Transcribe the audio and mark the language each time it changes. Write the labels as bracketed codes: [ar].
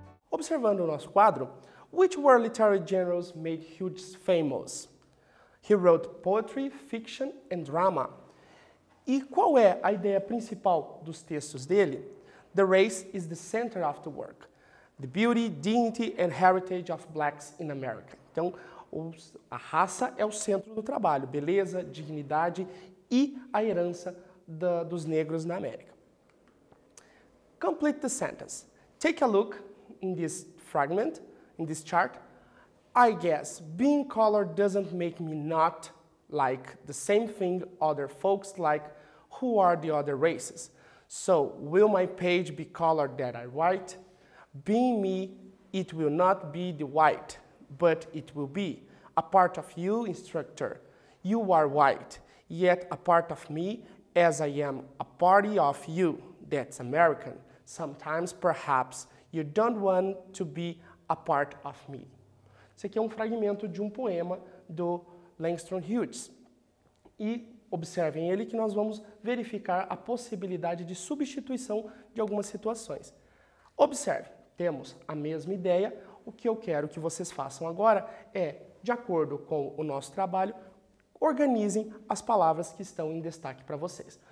[pt] observando o nosso quadro, [en] which world literary genres made Hughes famous? He wrote poetry, fiction and drama. [pt] E qual é a ideia principal dos textos dele? [en] The race is the center of the work. The beauty, dignity and heritage of blacks in America. [pt] Então, a raça é o centro do trabalho, beleza, dignidade e a herança dos negros na América. [en] Complete the sentence. Take a look in this fragment, in this chart. I guess being colored doesn't make me not like the same thing other folks like who are the other races. So, will my page be colored that I write? Being me, it will not be the white, but it will be a part of you, instructor. You are white, yet a part of me, as I am a party of you, that's American. Sometimes, perhaps, you don't want to be a part of me. [pt] Isso aqui é um fragmento de um poema do Langston Hughes. E observem ele que nós vamos verificar a possibilidade de substituição de algumas situações. Observe, temos a mesma ideia. O que eu quero que vocês façam agora é, de acordo com o nosso trabalho, organizem as palavras que estão em destaque para vocês.